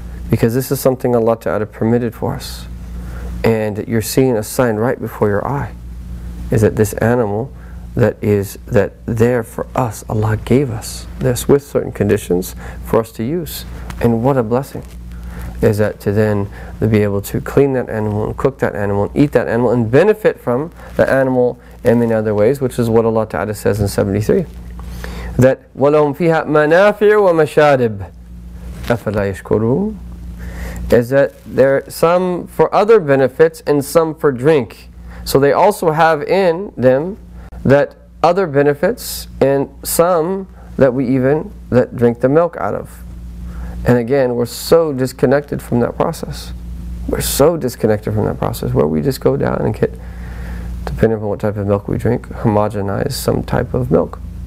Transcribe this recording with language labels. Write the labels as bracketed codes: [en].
[en] Because this is something Allah Ta'ala permitted for us. And you're seeing a sign right before your eye, is that this animal that is that there for us, Allah gave us this with certain conditions for us to use. And what a blessing is that to then be able to clean that animal and cook that animal and eat that animal and benefit from the animal in many other ways, which is what Allah Ta'ala says in 73. That [ar] وَلَهُمْ فِيهَا مَنَافِعُ وَمَشَارِبُ أَفَلَا يَشْكُرُونَ. [en] Is that there are some for other benefits and some for drink. So they also have in them that other benefits and some that we even that drink the milk out of. And again, we're so disconnected from that process. We're so disconnected from that process where we just go down and get, depending on what type of milk we drink, homogenize some type of milk.